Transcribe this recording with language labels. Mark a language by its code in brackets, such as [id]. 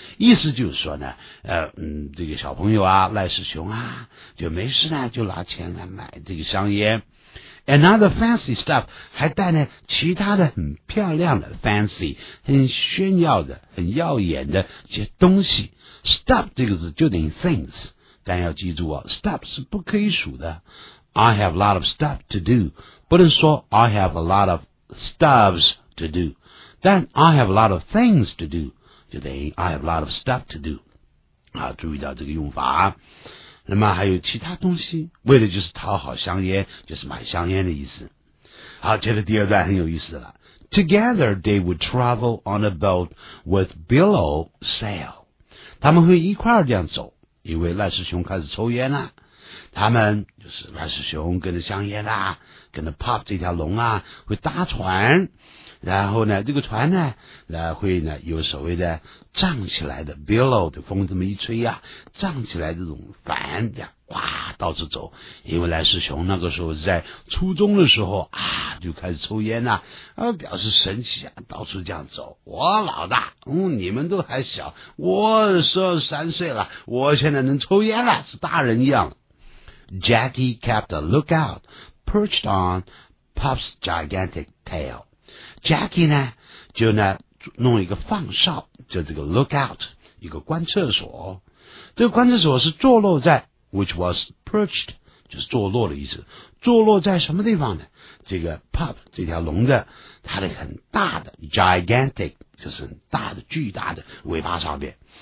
[zh] 意思就是说呢，这个小朋友啊，赖世雄啊，就没事呢就拿钱来买这个香烟。 [en] Another fancy stuff， [zh] 还带呢其他的很漂亮的 fancy， 很炫耀的很耀眼的这些东西。 Stuff 这个字就等于 things， 但要记住哦， stuff 是不可以数的。 [en] I have a lot of stuff to do， [zh] 不能说 [en] I have a lot of stuffs to do， [zh] 但 [en] I have a lot of things to do， 就等于 I have a lot of stuff to do。 [zh] 啊，注意到这个用法。那么还有其他东西，为的就是讨好香烟，就是买香烟的意思。好，接着第二段很有意思了。 [en] Together they would travel on a boat with billow sail， [zh] 他们会一块儿这样走，因为赖世雄开始抽烟了。他们就是赖世雄跟着香烟啦，跟着 Pop 这条龙啊，会搭船，然后呢这个船呢会呢有所谓的胀起来的 billow 的风，这么一吹啊，胀起来这种帆这样哇到处走。因为赖世雄那个时候在初中的时候啊就开始抽烟啦，表示神奇啊，到处这样走，我老大你们都还小，我13岁了，我现在能抽烟了，是大人一样。 [en] Jackie kept a lookout perched on Pop's gigantic tail. [zh] Jackie 呢就呢弄一个放哨，就这个 lookout， 一个观测所。这个观测所是坐落在 [en] which was perched， [zh] 就是坐落的意思。坐落在什么地方呢？这个 Pop 这条龙的它的很大的 gigantic， 就是很大的巨大的尾巴上面。